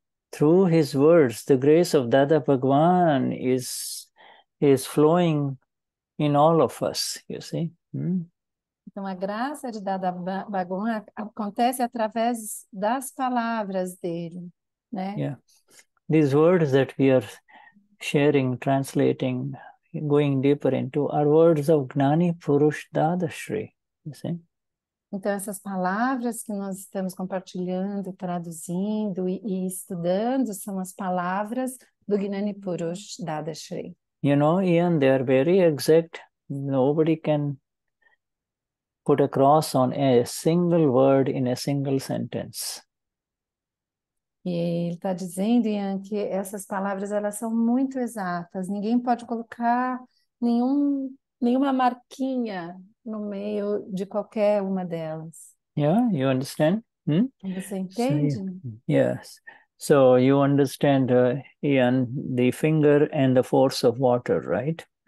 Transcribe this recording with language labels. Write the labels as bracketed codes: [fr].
[en] Through his words, the grace of Dada Bhagwan is flowing in all of us, you see. Hmm? [pt] Então, a graça de Dada Bhagwan acontece através das palavras dele, né? [en] Yeah. These words that we are sharing, translating, going deeper into, are words of Gnani Purush Dadashri, you see? [pt] Então, essas palavras que nós estamos compartilhando, traduzindo e estudando são as palavras do Gnani Purush Dadashri. [en] You know, Ian, they are very exact. Nobody can put a cross on a single word in a single sentence. [pt] E ele está dizendo, Ian, que essas palavras, elas são muito exatas. Ninguém pode colocar nenhuma marquinha no meio de qualquer uma delas. [en] Yeah, you understand? Hmm? [pt] Você entende? So, [en] yes. So you understand, Ian, the finger and the force of water, right?